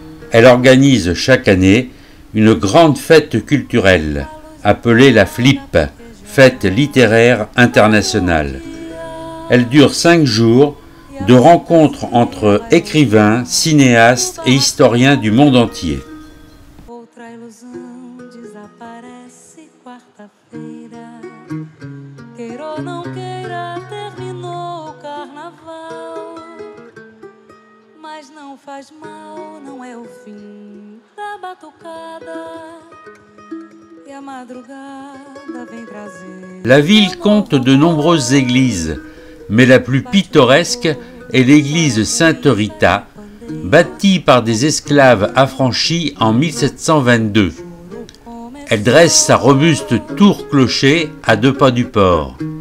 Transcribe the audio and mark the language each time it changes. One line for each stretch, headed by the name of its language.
French: Elle organise chaque année une grande fête culturelle, appelée la FLIP, Fête littéraire internationale. Elle dure 5 jours de rencontres entre écrivains, cinéastes et historiens du monde entier.
Portuguese: Outra ilusão desaparece quarta-feira. Queira ou não queira, terminou o carnaval. Mas não faz mal, não é o fim da batucada. E a madrugada vem trazer.
French: La ville compte de nombreuses églises. Mais la plus pittoresque est l'église Sainte Rita, bâtie par des esclaves affranchis en 1722. elle dresse sa robuste tour-clocher à deux pas du port.